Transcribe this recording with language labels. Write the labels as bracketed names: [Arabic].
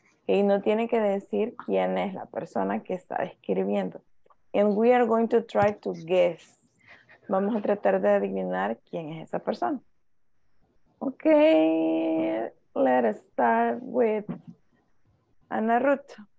[Spanish] Okay, no tiene que decir quién es la persona que está escribiendo. [English] And we are going to try to guess. [Spanish] Vamos a tratar de adivinar quién es esa persona. [English] Okay, let us start with Ana Ruth.